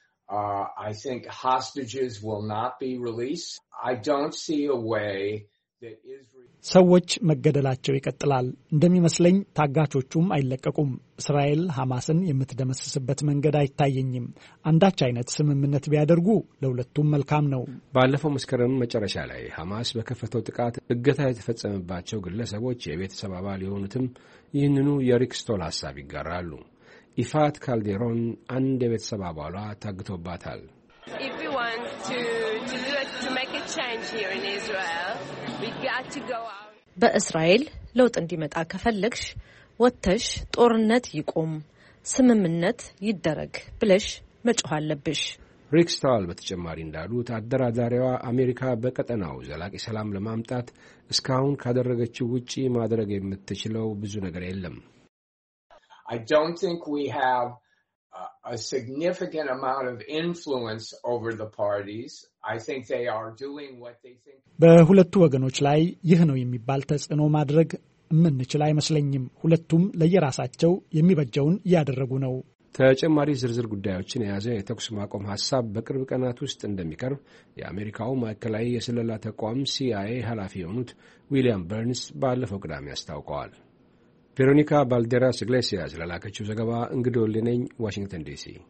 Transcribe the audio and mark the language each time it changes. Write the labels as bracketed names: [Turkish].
[English] I think hostages will not be released. I don't see a way that Israel [Amharic] ሰዎች መገደላቸው ይቀጥላል። እንደሚመስለኝ ታጋቾቹም አይለቀቁም። እስራኤል ሐማስን የምትደመስስበት መንገድ አይታየኝም። አንዳች አይነት ስምምነት ቢያደርጉ ለሁለቱም መልካም ነው። ባለፈው መስከረም መጨረሻ ላይ ሐማስ በከፈተው ጥቃት እገታ የተፈጸመባቸው ግለሰቦች የቤተሰብ አባል የሆኑትም ይህንኑ የሪክ ስቶል ሐሳብ ይጋራሉ። ኢፋት ካልዴሮን አንድ የቤተሰብ አባሏ ታግቶባታል። በእስራኤል ለውጥ እንዲመጣ ከፈለግሽ ወጥተሽ ጦርነት ይቁም፣ ስምምነት ይደረግ ብለሽ መጮህ አለብሽ። ሪክ ስታል በተጨማሪ እንዳሉት አደራዳሪዋ አሜሪካ በቀጠናው ዘላቂ ሰላም ለማምጣት እስካሁን ካደረገችው ውጪ ማድረግ የምትችለው ብዙ ነገር የለም። [English] I don't think we have a significant amount of influence over the parties. I think they are doing what they think. [Amharic] በሁለቱ ወገኖች ላይ ይህ ነው የሚባል ተጽዕኖ ማድረግ ምንችል አይመስለኝም። ሁለቱም ለየራሳቸው የሚበጀውን ያደረጉ ነው። ተጨማሪ ዝርዝር ጉዳዮችን ያዘ የተኩስ ማቆም ሐሳብ በቅርብ ቀናት ውስጥ እንደሚቀርብ የአሜሪካው ማዕከላዊ የስለላ ተቋም CIA ኃላፊ የሆኑት ዊሊያም በርንስ ባለፈው ቅዳሜ አስታውቀዋል። ቬሮኒካ ባልዴራስ ኢግሌሲያስ ለላከችው ዘገባ እንግዶልኝ ነኝ ዋሽንግተን ዲሲ።